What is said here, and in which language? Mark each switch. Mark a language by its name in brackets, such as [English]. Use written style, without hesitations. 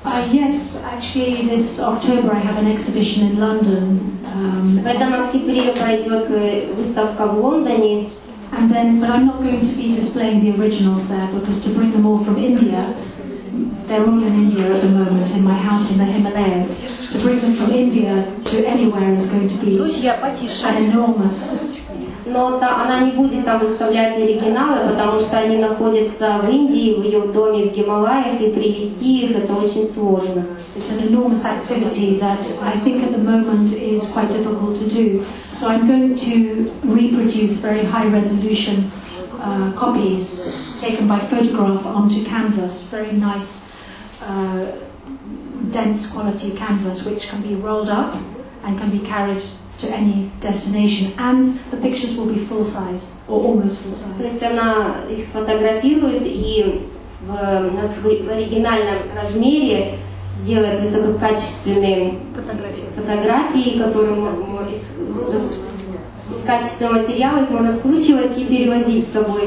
[English] Yes, actually, this October I have an exhibition in London. [Russian] В этом октябре пройдет выставка в Лондоне. [English] And then, but I'm not going to be displaying the originals there because to bring them all from India. They're all in India at the moment, in my house in the Himalayas. To bring them from India to anywhere is going to be an enormous. [Russian] Но та, она не будет там выставлять оригиналы, потому что они находятся в Индии, в ее доме в Гималаях, и привезти их это очень сложно. [English] It's an enormous activity that I think at the moment is quite difficult to do. So I'm going to reproduce very high resolution copies taken by photograph onto canvas. Very nice. Dense quality canvas which can be rolled up and can be carried to any destination and the pictures will be full size or almost full size. [Russian] То есть она их сфотографирует и в оригинальном размере сделает высококачественные фотографии, которые из качественного материала их можно скручивать и перевозить с собой.